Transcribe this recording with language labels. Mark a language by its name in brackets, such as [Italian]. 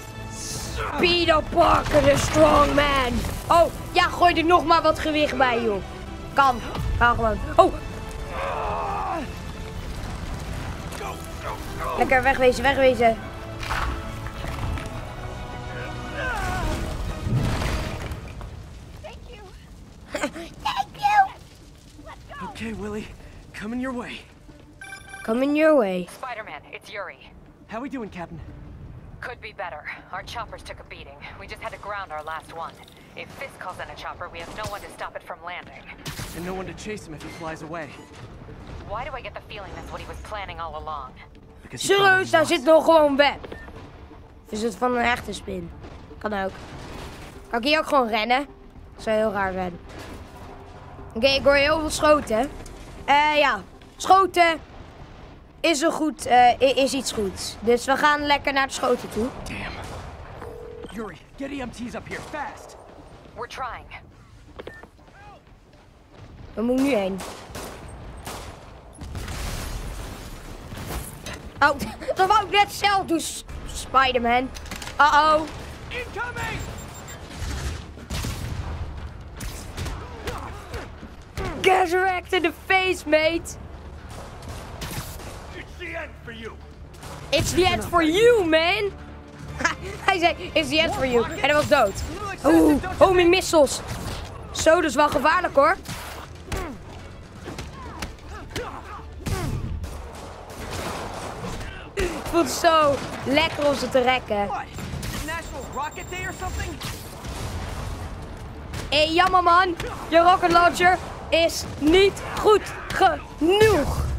[English] Speed up, Parker, the strong man! [Dutch] Oh, ja, gooi er nog maar wat gewicht bij, joh. Kan. Ga gewoon. Oh! Lekker, wegwezen. [English] Thank you. Thank you! Let's go! Okay, Willy. Coming your way. Spider-Man, it's Yuri. How we doing, Captain? Could be better. Our choppers took a beating. We just had to ground our last one. If Fisk calls in a chopper, we have no one to stop it from landing. and no one to chase him if he flies away. Why do I get the feeling that's what he was planning all along? [Dutch] Serieus, daar zit nog gewoon web. Is het van een echte spin? Kan ook. Kan ik hier ook gewoon rennen? Dat zou heel raar zijn. Oké, ik hoor heel veel schoten. Schoten is een goed, is iets goeds. Dus we gaan lekker naar de schoten toe. [English] Damn. Yuri, get EMTs up here, fast. We're trying. [Dutch] We moeten nu heen. Oh, dat wou ik net zelf doen, Spider-Man. Uh-oh. [English] Incoming! Get wrecked in the face, mate. It's the end for you. It's the end for you, man. [Dutch] Hij zei, [English] it's the end for you. [Dutch] En hij was dood. Oeh, homie missiles. Zo, dat is wel gevaarlijk, hoor. Ik voel het zo lekker om ze te rekken. [English] What? National Rocket Day or something? [Dutch] Hey, jammer man. Je rocket launcher is niet goed genoeg.